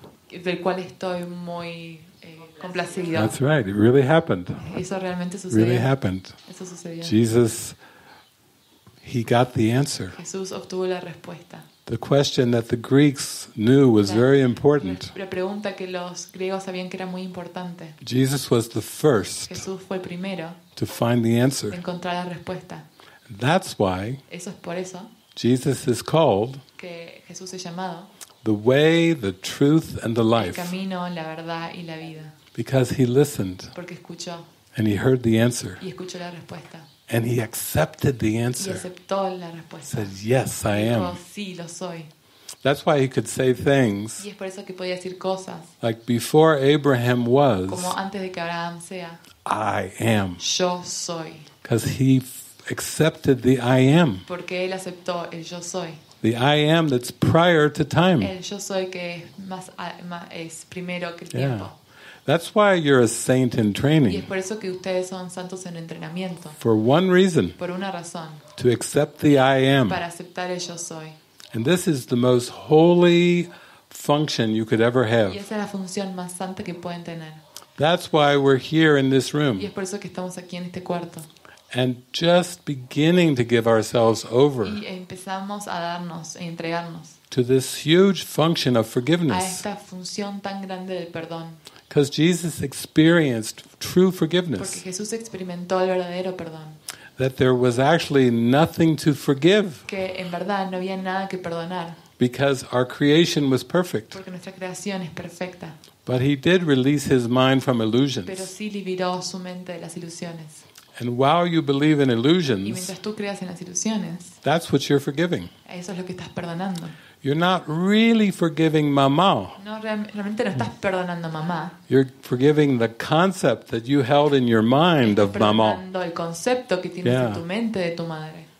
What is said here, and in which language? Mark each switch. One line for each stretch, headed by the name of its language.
Spanish: Y del cual estoy muy complacido.
English: That's right. It really happened.
Spanish: Eso realmente sucedió.
English: Really happened.
Spanish: Eso sucedió.
English: Jesus, he got the answer.
Spanish: Jesús obtuvo la respuesta.
English: The question that the Greeks knew was very important.
Spanish: La pregunta que los griegos sabían que era muy importante.
English: Jesus was the first.
Spanish: Jesús fue el primero.
English: To find the answer.
Spanish: De encontrar la respuesta.
English: That's why.
Spanish: Eso es por eso.
English: Jesus is called.
Spanish: Que Jesús es llamado.
English: The way, the truth, and the life.
Spanish: El camino, la verdad y la vida.
English: Because he listened.
Spanish: Porque escuchó.
English: And he heard the answer.
Spanish: Y escuchó la respuesta.
English: And he accepted the answer.
Spanish: Y aceptó la respuesta.
English: Said, yes, I am.
Spanish: Dijo, sí, lo soy.
English: That's why he could say things.
Spanish: Y es por eso que podía decir cosas.
English: Like before Abraham was.
Spanish: Como antes de que Abraham sea.
English: I am.
Spanish: Yo soy.
English: Because he accepted the I am.
Spanish: Porque él aceptó el yo soy.
English: The I am that's prior to time.
Spanish: El yo soy que es primero que el tiempo.
English: Yeah. That's why you're a saint in training.
Spanish: Y es por eso que ustedes son santos en entrenamiento.
English: For one reason.
Spanish: Por una razón.
English: To accept the I am.
Spanish: Para aceptar el yo soy.
English: And this is the most holy function you could ever have.
Spanish: Y esa es la función más santa que pueden tener.
English: That's why we're here in this room.
Spanish: Y es por eso que estamos aquí en este cuarto.
English: And just beginning to give ourselves over.
Spanish: Y empezamos a darnos y entregarnos.
English: To this huge function of forgiveness.
Spanish: A esta función tan grande del perdón.
English: Because Jesus experienced true forgiveness.
Spanish: Porque Jesús experimentó el verdadero perdón.
English: That there was actually nothing to forgive.
Spanish: Que en verdad no había nada que perdonar.
English: Because our creation was perfect.
Spanish: Porque nuestra creación es perfecta.
English: But he did release his mind from illusions.
Spanish: Pero sí liberó su mente de las ilusiones.
English: And while you believe in illusions,
Spanish: y mientras tú creas en las ilusiones,
English: that's what you're forgiving.
Spanish: Eso es lo que estás perdonando.
English: You're not really forgiving mamá.
Spanish: No, realmente no estás perdonando mamá.
English: You're forgiving the concept that you held in your mind
Spanish: estás
English: of mamá.
Spanish: Perdonando el concepto que tienes en tu mente de tu madre.